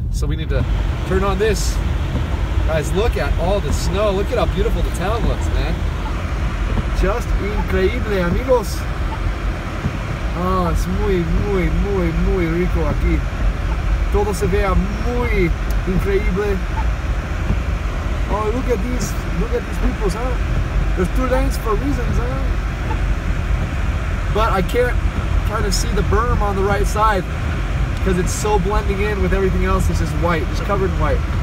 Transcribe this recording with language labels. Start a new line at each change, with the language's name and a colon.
English: So we need to turn on this. Guys, look at all the snow. Look at how beautiful the town looks, man.
Spanish: Just increíble, amigos. Oh, it's muy, muy, muy, muy rico aquí. Todo se vea muy increíble.
English: Oh, look at these. Look at these people, huh? There's two lanes for reasons, huh? But I can't kind of see the berm on the right side because it's so blending in with everything else. It's just white. It's covered in white.